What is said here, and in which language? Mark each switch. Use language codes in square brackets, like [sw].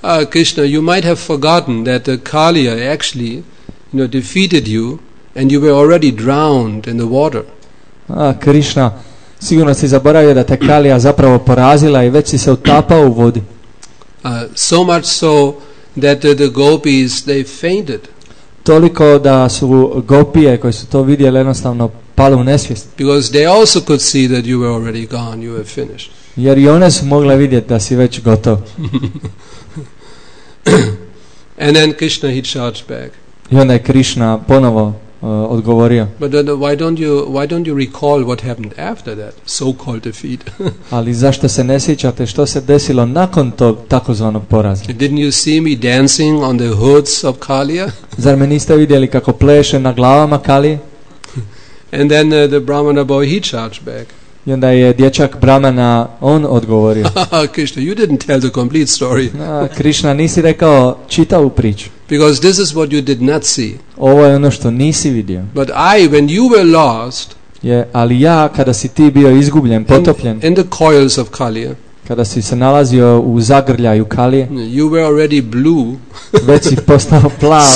[en] Krishna, you might have forgotten that Kaliya actually, you know, defeated you. And you were already drowned in the water. [hr] Ah, Krishna, sigurno si zaboravio da te Kalija zapravo porazila i već si se utapao u vodi. [en] So much so that the gopis, they fainted. [hr] Toliko da su gopije koje su to vidjeli jednostavno pale u nesvijest. [en] Because they also could see that you were already gone, you were finished. [hr] Jer i one su mogle vidjeti da si već gotov. [en] And then Krishna, he charged back. [hr] I onda je Krishna ponovo odgovorio. [en] But why don't you recall what happened after that so-called defeat? [hr] Ali zašto se ne sjećate što se desilo nakon tog takozvanog poraza? [en] Didn't you see me dancing on the hoods of Kaliya? [hr] Zar me niste vidjeli kako pleše na glavama Kalije? [en] And then the Brahmana boy, he charged back. [hr] I onda je dječak Brahmana, on odgovorio. [en] Krishna, you didn't tell the complete story. [hr] Krishna, nisi rekao čitavu priču. [en] Because this is what you did not see. [hr] Ovo je ono što nisi vidio. [en] But I, when you were lost, [hr] ali ja, kada si ti bio izgubljen, potopljen, [en] in the coils of Kaliya, [hr] Kada si se nalazio u zagrljaju Kalije. [en] You were already blue. [hr] Već si postao plav.